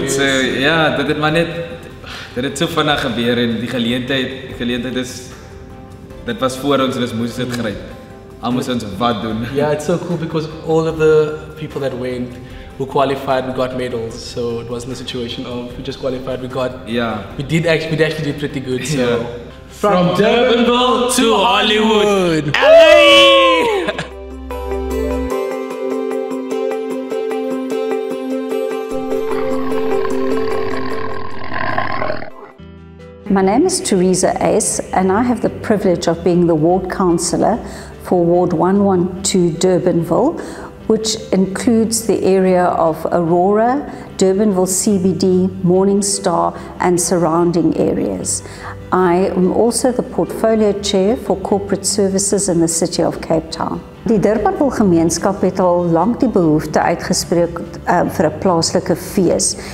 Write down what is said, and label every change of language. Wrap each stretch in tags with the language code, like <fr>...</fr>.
<af>Yes. So ja, dit het maar net, dit het so vinnig gebeur en die geleentheid is, dit was voor ons en ons moes dit gryp.</af> <en>Yeah, it's so cool because all of the people that went who qualified, we got medals. So it wasn't a situation of we just qualified, we got. Yeah. We actually did pretty good. So. Yeah. From Durbanville to Hollywood. LA! My name is Teresa Ace, and I have the privilege of being the ward counselor for Ward 112 Durbanville, which includes the area of Aurora, Durbanville CBD, Morningstar and surrounding areas. I am also the portfolio chair for corporate services in the city of Cape Town.</en> <af>Die Durbanville gemeenskap het al lank die behoefte uitgespreek vir 'n plaaslike fees.</af>